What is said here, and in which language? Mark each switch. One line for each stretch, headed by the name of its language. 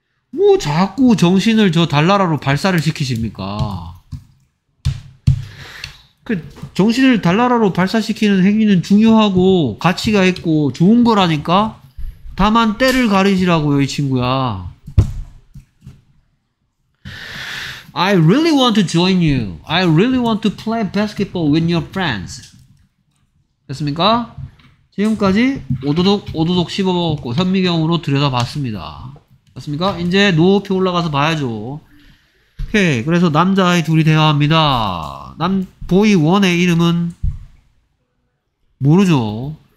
Korean: 뭐 자꾸 정신을 저 달나라로 발사를 시키십니까? 그 정신을 달나라로 발사시키는 행위는 중요하고 가치가 있고 좋은 거라니까? 다만 때를 가리시라고요 이 친구야.
English: I really want to join you. I really want to play basketball with your friends.
Korean: 됐습니까? 지금까지 오도독 오도독 씹어먹고 현미경으로 들여다봤습니다. 됐습니까? 이제 높이 올라가서 봐야죠. 오케이. 그래서 남자아이 둘이 대화합니다. 남 보이 1의 이름은 모르죠.